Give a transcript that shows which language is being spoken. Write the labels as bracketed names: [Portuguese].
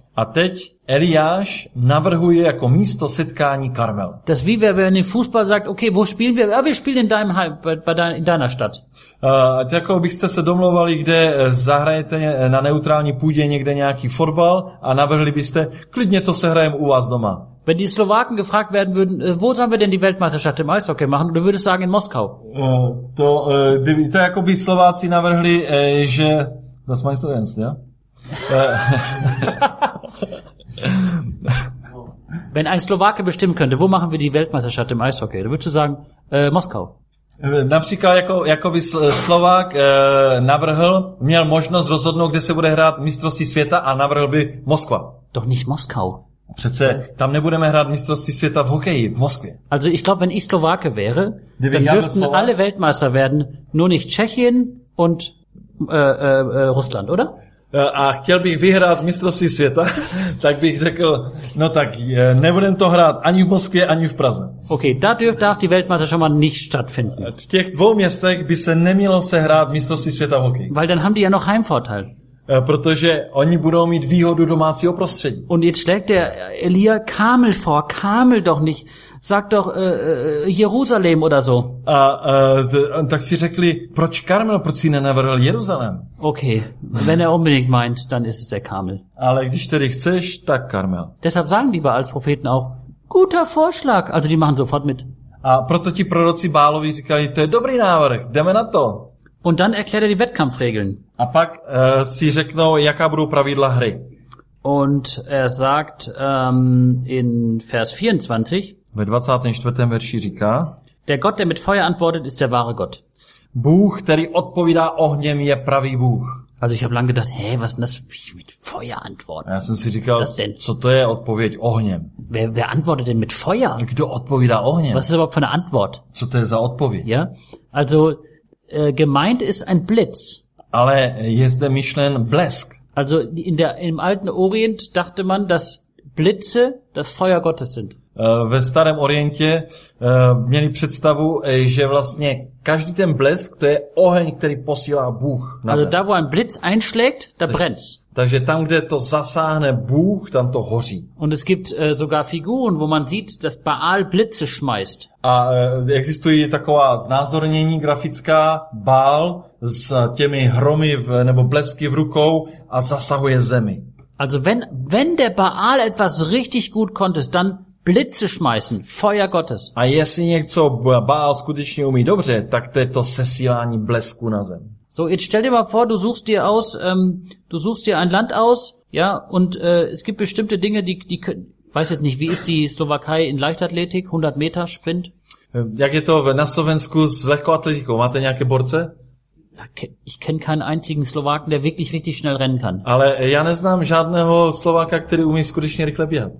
[Czech] A teď Eliáš navrhuje jako místo setkání Karmel. [German] Das wie wenn ein Fußball sagt, okay, wo spielen wir? Ja, wir spielen in deinem Heim, in deiner Stadt. [Czech] Jako byste se domlouvali, kde zahrajete na neutrální půdě někde nějaký fotbal a navrhli byste, klidně to sehrajeme u vás doma. [German] Wenn die Slowaken gefragt werden würden, wo sollen wir denn die Weltmeisterschaft im Eishockey machen, du würdest sagen in Moskau. [Czech] To jako by Slováci navrhli, že... [German] Das meinst du ernst, ja? Wenn ein Slowake bestimmen könnte, wo machen wir die Weltmeisterschaft im Eishockey, dann würdest du sagen Moskau. [Czech] Například jako by Slovák navrhl, měl možnost rozhodnout, kde se bude hrát mistrovství světa a navrhl by Moskva. [German] Doch nicht Moskau. [Czech] Přece tam nebudeme hrát mistrovství světa v hokeji, v Moskvě. [German] Also ich glaube, wenn ich Slowake wäre, dann dürften alle Weltmeister werden, nur nicht Tschechien und Russland, oder? [Czech] A chtěl bych vyhrát mistrovství světa, tak bych řekl, no tak nebudem to hrát ani v Moskvě, ani v Praze. [German] Okay, da dürfte auch die Weltmeisterschaft nicht stattfinden. [Czech] V těch dvou městech by se nemělo sehrát mistrovství světa v hokeji. [German] Weil dann haben die ja noch Heimvorteil. [Czech] Protože oni budou mít výhodu domácího prostředí. [German] Und jetzt schlägt der Elia Karmel vor, Karmel doch nicht, sag doch Jerusalem oder so. [Czech] Tak si řekli, proč Karmel, proč si nenavrhl Jeruzalém? [German] Okay, wenn er unbedingt meint, dann ist es der Karmel. [Czech] Ale když tedy chceš, tak Karmel. [German] Deshalb sagen die Baals Propheten auch, guter Vorschlag, also die machen sofort mit. [Czech] A proto ti proroci Baalovi říkali, to je dobrý návrh, jdeme na to. [German] Und dann erklärt er die Wettkampfregeln. [Czech] A pak si řeknou, jaká budou pravidla hry. [German] Und er sagt in Vers 24. [Czech] Ve 24. verši říká. [German] Der Gott, der mit Feuer antwortet, ist der wahre Gott. [Czech] Bůh, který odpovídá ohněm, je pravý Bůh. [German] Also ich habe lange gedacht, hey, was ist das mit Feuer antworten? [Czech] Já jsem si říkal, co to je odpověď ohněm? [German] Wer antwortet denn mit Feuer? [Czech] Kdo odpovídá ohněm? [German] Was ist überhaupt für eine Antwort? [Czech] Co to je za odpověď? [German] Ja, also gemeint ist ein Blitz. [Czech] Ale je zde myšlen blesk. [German] Also in der im alten Orient dachte man, dass Blitze das Feuer Gottes sind. [Czech] Ve starém Orientě měli představu, že vlastně každý ten blesk, to je oheň, který posílá Bůh na zem. [German] Also da, wo ein Blitz einschlägt, da brennt's. [Czech] Takže tam, kde to zasáhne Bůh, tam to hoří. [German] Und es gibt sogar Figuren, wo man sieht, dass Baal Blitze schmeißt. [Czech] A existují taková znázornění grafická, Baal s těmi hromy v, nebo blesky v rukou a zasahuje zemi. [German] Also wenn der Baal etwas richtig gut konnte, dann Blitze schmeißen, Feuer Gottes. [Czech] A jestli něco Baal skutečně umí dobře, tak to je to sesílání blesku na zem. [German] So, jetzt stell dir mal vor, du suchst dir ein Land aus, ja, und es gibt bestimmte Dinge, die können, weiß jetzt nicht, wie ist die Slowakei in Leichtathletik, 100 Meter Sprint? [Czech] Jak je to na Slovensku s lehkoatletikou? Máte nějaké borce? [German] Ich kenne keinen einzigen Slowaken, der wirklich richtig schnell rennen kann. [Czech] Ale já neznám žádného Slováka, který umí skutečně rychle běhat.